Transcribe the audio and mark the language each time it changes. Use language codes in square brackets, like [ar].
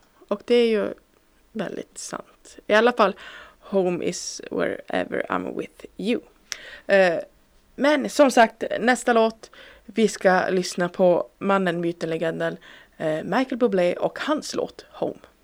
[sv] Och det är ju väldigt sant. I alla fall, [en] home is wherever I'm with you. [sv] Men som sagt, nästa låt, vi ska lyssna på mannen, myten, legenden Michael Bublé och hans låt Home.